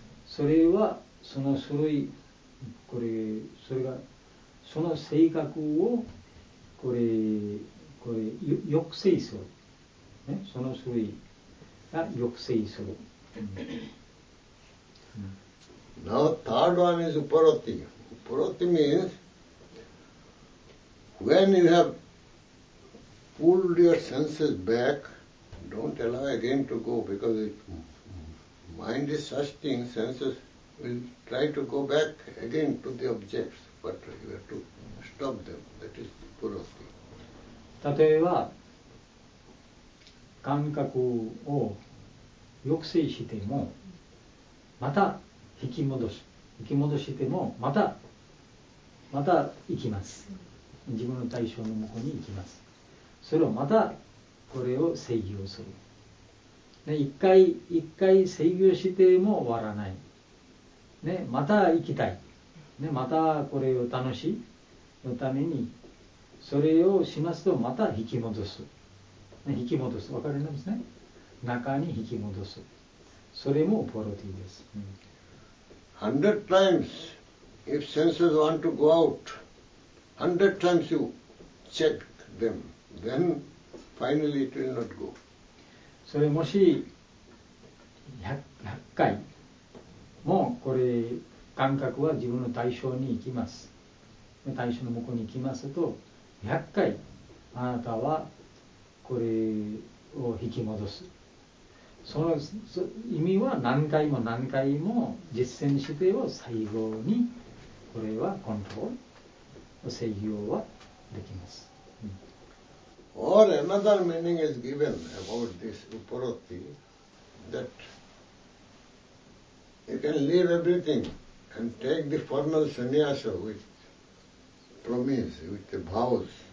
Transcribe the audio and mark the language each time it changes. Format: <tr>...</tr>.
<ja>それはその種類これそれがその性格をこれ抑制する、ね、その種類が抑制する。</ja> <en>Now third one is uparoti. Uparoti means when you have pulled your senses back, don't allow again to go because if mind is such thing, senses will try to go back again to the objects, but you have to stop them. That is uparoti.</en> <ja>例えば感覚を抑制してもまた引き戻してもまた行きます。自分の対象の向こうに行きます。それをまたこれを制御する。で一回制御しても終わらない、ね、また行きたい、ね、またこれを楽しいのためにそれをしますとまた引き戻す、ね、引き戻す分かるんですね。中に引き戻す。それもポロティです。</ja> <en>100 times, if senses want to go out, 100 times you check them, then finally it will not go.</en> <ja>それもし 100回もこれ感覚は自分の対象に行きます。対象の向こうに行きますと、100回あなたはこれを引き戻す。その意味は何回も実践しては最後にこれはコントロール制御はできます。</ja> <en>Or another meaning is given about this uparoti that you can leave everything and take the formal sannyasa with promise, with the vows.</en>